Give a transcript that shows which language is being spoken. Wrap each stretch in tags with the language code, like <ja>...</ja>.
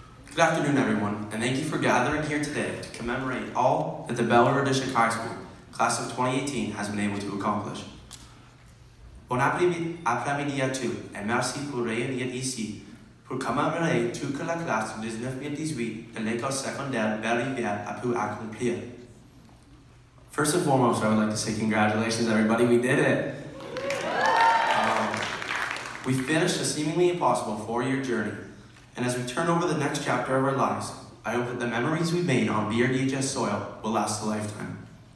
<en>Good afternoon, everyone, and thank you for gathering here today to commemorate all that the Bel River District High School class of 2018 has been able to accomplish.</en> <fr>Bon après-midi à tous, et merci pour réunir ici pour commémorer tout que la classe de 1918 de l'école secondaire Bel River a pu accomplir.</fr> <en>First and foremost, I would like to say congratulations, everybody. We did it. We finished a seemingly impossible four-year journey. And as we turn over the next chapter of our lives, I hope that the memories we've made on BRDHS soil will last a lifetime.</en>